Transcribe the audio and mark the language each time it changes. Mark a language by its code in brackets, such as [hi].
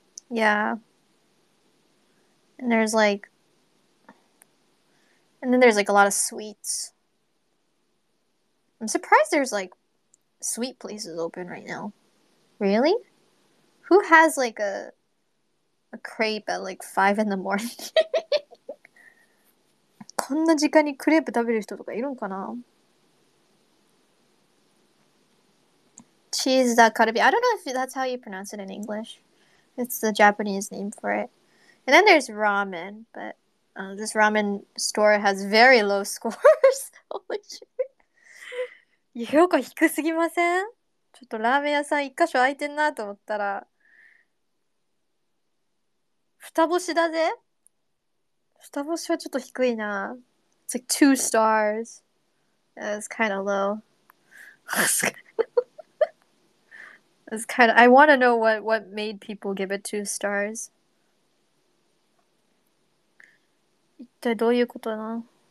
[en] Yeah. And there's like a lot of sweets. I'm surprised there's like sweet places open right now. Really? Who has like a crepe at like 5 in the morning? [ja] こんな時間にクレープ食べる人とかいるんかな? cheese-dakarabi. [en] I don't know if that's how you pronounce it in English. It's the Japanese name for it. And then there's ramen, but this ramen store has very low scores. Holy shit. [ja] 評価低すぎません？ちょっとラーメン屋さん一箇所空いてんなと思ったら。双星だぜ？双星はちょっと低いな。 [en] It's like 2 stars. That's kind of low. That's kind of... I want to know what made people give it 2 stars. [ja] 一体どういうことな？